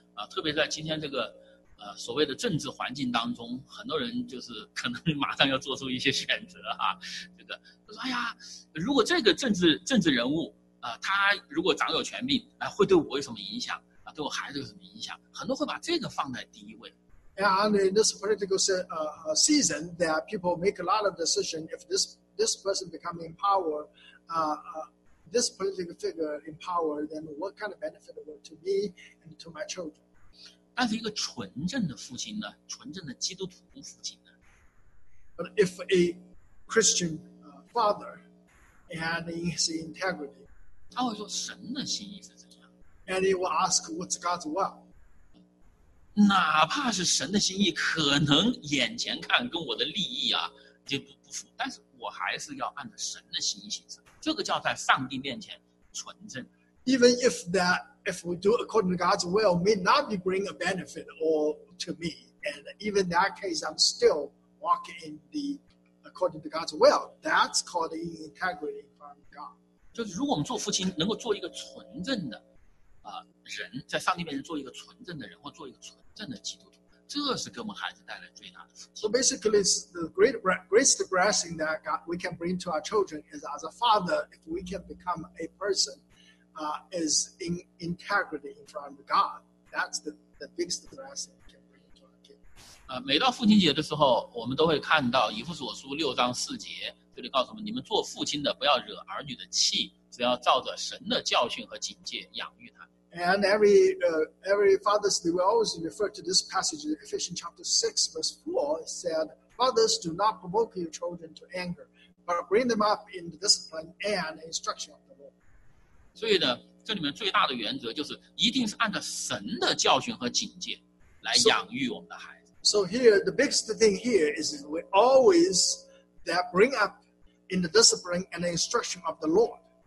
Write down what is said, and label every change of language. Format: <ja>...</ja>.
<zh>特别在今天这个所谓的政治环境当中，很多人就是可能马上要做出一些选择啊。这个他说：“哎呀，如果这个政治人物他如果掌有权柄，会对我有什么影响啊？对我孩子有什么影响？很多会把这个放在第一位。”</zh> <en>And in this political season, that people make a lot of decisions. If this person becomes in power, this political figure in power, then what kind of benefit will to me and to my children?</en> <zh>但是一个纯正的父亲呢，纯正的基督徒父亲呢</zh> <en>？But if a Christian father and in his integrity,</en> <zh>他会说神的心意是怎样</zh> <en>？And he will ask, "What's God's will?"</en> <zh>哪怕是神的心意，可能眼前看跟我的利益啊就不符，但是我还是要按照神的心意行事，这个叫在上帝面前纯正。</zh> <en>Even if we do according to God's will, may not be bring a benefit or to me, and even that case, I'm still walking in the according to God's will. That's called integrity from God.</en> <zh>就是如果我们做父亲，能够做一个纯正的。人在上帝面前做一个纯正的人，或做一个纯正的基督徒，这是给我们孩子带来最大的福气。</zh> <en>So basically, it's the greatest blessing that God we can bring to our children is as a father, if we can become a person, is in integrity in front of God. That's the the biggest blessing we can bring to our kids.</en> <zh>每到父亲节的时候，我们都会看到以弗所书六章四节，这里告诉我们：你们做父亲的，不要惹儿女的气，只要照着神的教训和警戒养育他。</zh> <en>And every Father's Day, we always refer to this passage in Ephesians chapter 6, verse 4. It said, Fathers, do not provoke your children to anger, but bring them up in the discipline and instruction of the Lord.</en> <zh>所以呢，这里面最大的原则就是，一定是按照神的教训和警戒来养育我们的孩子。</zh> <en>So here, the biggest thing here is we always that bring up in the discipline and the instruction of the Lord.</en>